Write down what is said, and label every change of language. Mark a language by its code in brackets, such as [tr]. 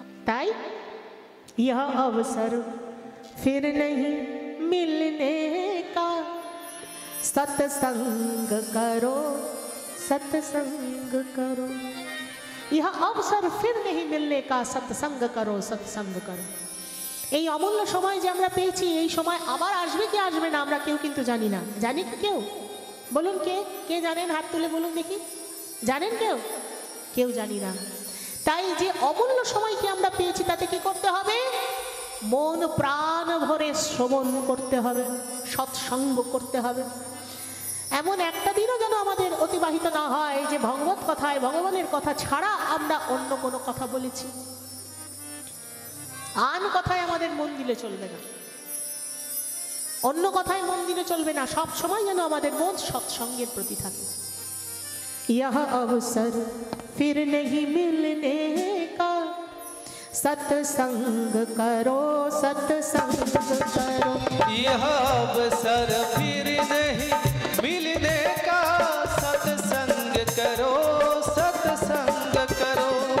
[hi] তাই यह अवसर फिर नहीं मिलने का, सत्संग करो सत्संग करो, यह अवसर फिर नहीं मिलने का, सत्संग करो सत्संग करो। [bn] এই অমূল্য সময় যে আমরা পেয়েছি, এই সময় আবার আসবে কি আসবে না আমরা কেউ কিন্তু জানি না। জানি কেউ? বলুন কে কে জানেন, হাত তুলে বলুন দেখি, জানেন কেউ? কেউ জানি না। তাই যে অমূল্য সময়কে আমরা পেয়েছি, তাতে কি করতে হবে, মন প্রাণ ভরে শ্রবণ করতে হবে, সৎসঙ্গ করতে হবে। এমন একটা দিনও যেন আমাদের অতিবাহিত না হয় যে ভগবত কথায়, ভগবানের কথা ছাড়া আমরা অন্য কোনো কথা বলেছি, আন কথায় আমাদের মন দিলে চলবে না, অন্য কথায় মন দিলে চলবে না, সব সময় যেন আমাদের মন সৎসঙ্গের প্রতি থাকে। [hi] यह अवसर फिर नहीं मिलने का, सत्संग करो सत्संग करो, यह अवसर फिर नहीं मिलने का, सत्संग करो सत्संग करो,